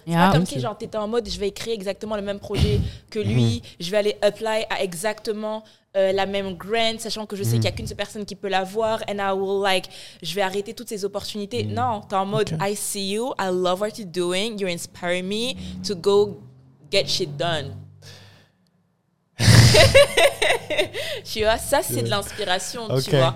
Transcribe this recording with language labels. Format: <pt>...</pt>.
<fr>C'est pas comme si genre t'étais en mode je vais créer exactement le même projet que lui, je vais aller apply à exactement la même grant, sachant que je sais qu'il y a qu'une seule personne qui peut l'avoir,</fr> <en>and I will like</en> <fr>je vais arrêter toutes ces opportunités. Non, t'es en mode</fr> <en>I see you, I love what you're doing, you're inspiring me to go get shit done.</en> <fr>Tu vois, ça c'est de l'inspiration, tu vois.</fr>